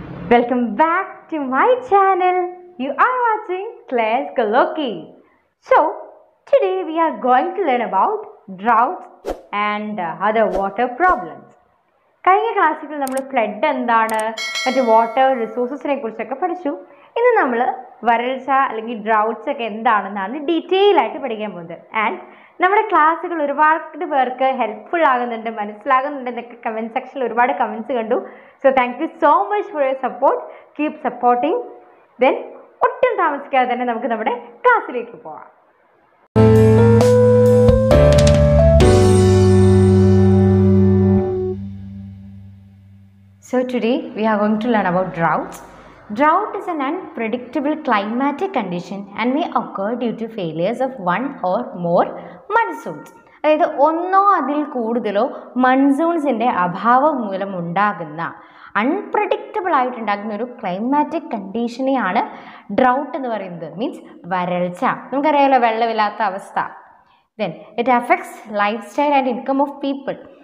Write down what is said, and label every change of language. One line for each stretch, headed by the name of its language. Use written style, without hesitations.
English: Welcome back to my channel. You are watching Clare's Colloquy. So, today we are going to learn about droughts and other water problems.
Malayalam: കഴിഞ്ഞ ക്ലാസ്സിൽ നമ്മൾ flood എന്താണ് മറ്റ് water റിസോഴ്സസിനെ കുറിച്ചൊക്കെ പഠിച്ചു. ഇന്ന് നമ്മൾ വരൾച്ച അല്ലെങ്കിൽ ഡ്രൗട്ട്സ് ഒക്കെ എന്താണെന്നാണ് ഡീറ്റെയിൽ ആയിട്ട് പഠിക്കാൻ പോകുന്നത്. ആൻഡ് നമ്മുടെ ക്ലാസ്സുകൾ ഒരുപാട് പേർക്ക് ഹെൽപ്ഫുൾ ആകുന്നുണ്ട്, മനസ്സിലാകുന്നുണ്ട് എന്നൊക്കെ കമൻറ്റ് സെക്ഷനിൽ ഒരുപാട് കമൻറ്റ്സ് കണ്ടു. So
English: Thank you so much for your support. Keep supporting.
Malayalam: Then ഒട്ടും താമസിക്കാതെ തന്നെ നമുക്ക് നമ്മുടെ ക്ലാസ്സിലേക്ക് പോവാം.
English: So today we are going to learn about droughts. Drought is an unpredictable climatic condition and may occur due to failures of one or more monsoons.
Malayalam: അതായത് ഒന്നോ അതിൽ കൂടുതലോ മൺസൂൺസിൻ്റെ അഭാവം മൂലം ഉണ്ടാകുന്ന അൺപ്രഡിക്റ്റബിൾ ആയിട്ടുണ്ടാകുന്ന ഒരു ക്ലൈമാറ്റിക് കണ്ടീഷനെയാണ് ഡ്രൗട്ട് എന്ന് പറയുന്നത്.
English: means
Malayalam: വരൾച്ച. നമുക്കറിയാമല്ലോ വെള്ളമില്ലാത്ത അവസ്ഥ.
English: Then it affects lifestyle and income of people.